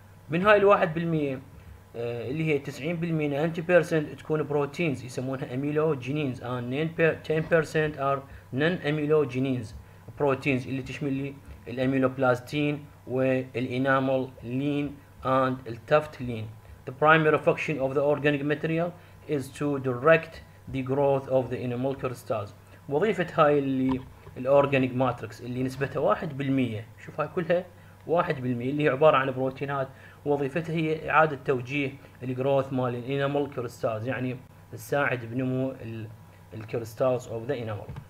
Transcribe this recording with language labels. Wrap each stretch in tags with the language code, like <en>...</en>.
<ar>من هاي الواحد بالمية اللي هي 90% 90% تكون بروتينز يسمونها أميلوجينينز</ar> <en>and 10% are non-</en> <ar>أميلوجينينز بروتينز اللي تشمل لي الاميلوبلاستين والانامول لين اند التافت لين.</ar> <en>The primary function of the organic material is to direct the growth of the enamel crystals.</en> <ar>وظيفة هاي اللي الاورجانيك ماتريكس اللي نسبتها 1%، شوف هاي كلها 1% اللي هي عبارة عن بروتينات، وظيفتها هي اعادة توجيه الجروث مال الانامول كريستالز، يعني تساعد بنمو الكريستالز اوف ذا انامول.</ar>